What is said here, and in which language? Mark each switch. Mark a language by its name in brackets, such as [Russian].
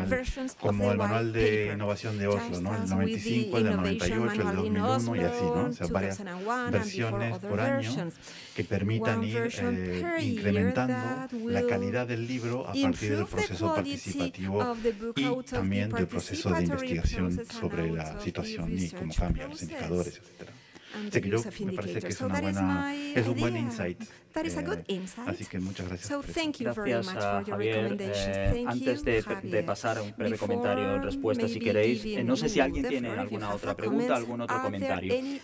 [Spanish] Al final, como el manual de innovación de Oslo, ¿no? El 95, el del 98, el de 2001 y así, ¿no? O sea, varias versiones por año que permitan ir incrementando la calidad del libro a partir del proceso participativo y también del proceso de investigación sobre la situación y cómo cambian los indicadores, etc. Así que yo me parece que es una buena, es un buen insight. [English] That is a good insight. [Spanish] Así que muchas gracias. [English] So thank you very much for your Javier. [Spanish] Antes de pasar a un breve comentario o respuesta, si queréis, no sé si alguien tiene alguna otra pregunta, algún otro comentario.